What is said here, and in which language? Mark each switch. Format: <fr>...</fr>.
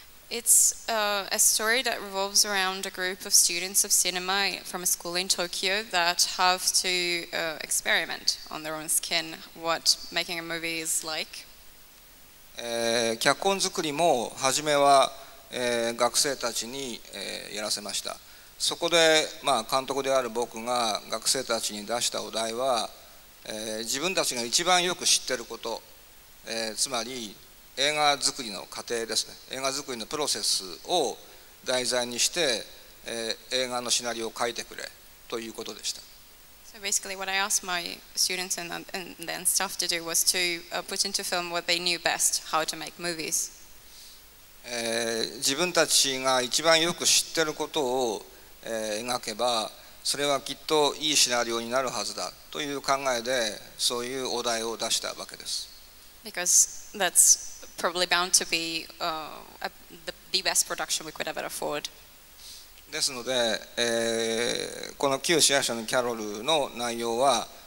<en>It's a story that revolves around a group of students of cinema from a school in Tokyo that have to experiment on their own skin what making a movie is like.</en> <ja>脚本作りも初めは、学生たちに、やらせました。そこで、まあ、監督である僕が学生たちに出したお題は、自分たちが一番よく知っていること、つまり映画作りの過程ですね、映画作りのプロセスを題材にして、映画のシナリオを書いてくれということでした。</ja> <en>So basically what I asked my students and then staff to do was to put into film what they knew best, how to make movies.</en> <ja>自分たちが一番よく知っていることを、描けば、それはきっといいシナリオになるはずだという考えで、そういうお題を出したわけです。</ja> <en>Because that's probably bound to be the best production we could ever afford.</en> <ja>ですので、この旧支配者のキャロルの内容は、</ja>